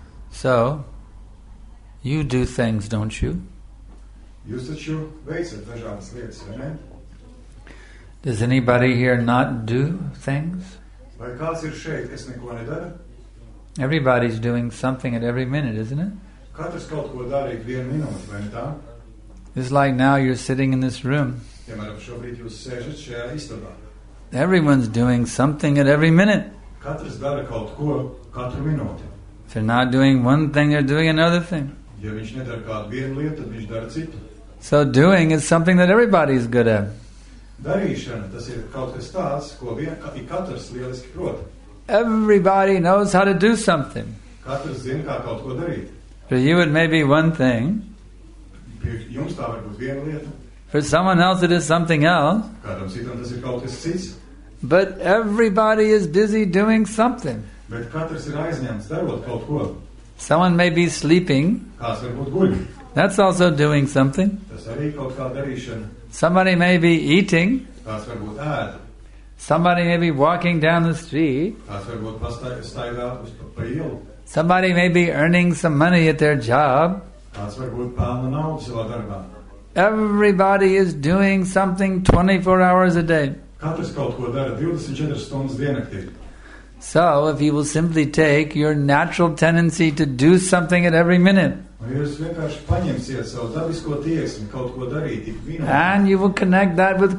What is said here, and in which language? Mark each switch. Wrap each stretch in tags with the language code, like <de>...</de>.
<en>So, you do things, don't you?</en> <lv>Jūs taču veicat dažādas lietas, vai ne?</lv> <en>Does anybody here not do things?</en> <lv>Vai kāds ir šeit, es neko nedaru?</lv> <en>Everybody's doing something at every minute, isn't it?</en> <lv>Katrs kaut ko dara ik vienu minūti, vai ne tā?</lv> <en>It's like now you're sitting in this room.</en> <lv>Piemēram, šobrīd jūs sēžat šajā istabā.</lv> <en>Everyone's doing something at every minute.</en> <lv>Katrs dara kaut ko katru minūti.</lv> <en>If they're not doing one thing, they're doing another thing.</en> <lv>Ja viņš nedara kādu vienu lietu, tad viņš dara citu.</lv> <en>So doing is something that everybody is good at.</en> <lv>Darīšana, tas ir kaut kas tāds, ko katrs lieliski prot.</lv> <en>Everybody knows how to do something.</en> <lv>Katrs zina, kā kaut ko darīt.</lv> <en>For you it may be one thing.</en> <lv>Jums tā var būt viena lieta.</lv> <en>For someone else it is something else.</en> <lv>Kādam citam tas ir kaut kas cits.</lv> <en>But everybody is busy doing something.</en> <lv>Bet katrs ir aizņemts darot kaut ko.</lv> <en>Someone may be sleeping.</en> <lv>Kāds var būt guļ.</lv> <en>That's also doing something.</en> <lv>Tas arī kaut kā darīšana.</lv> <en>Somebody may be eating.</en> <lv>Kāds var būt ēd.</lv> <en>Somebody may be walking down the street.</en> <lv>Kāds var būt staigā uz pa ielu.</lv> <en>Somebody may be earning some money at their job.</en> <lv>Kāds var būt pelna naudu savā darbā.</lv> <en>Everybody is doing something 24 hours a day.</en> <lv>Katrs kaut ko dara 24 stundas diennaktī.</lv> <en>So, if you will simply take your natural tendency to do something at every minute, and you will connect that with</en>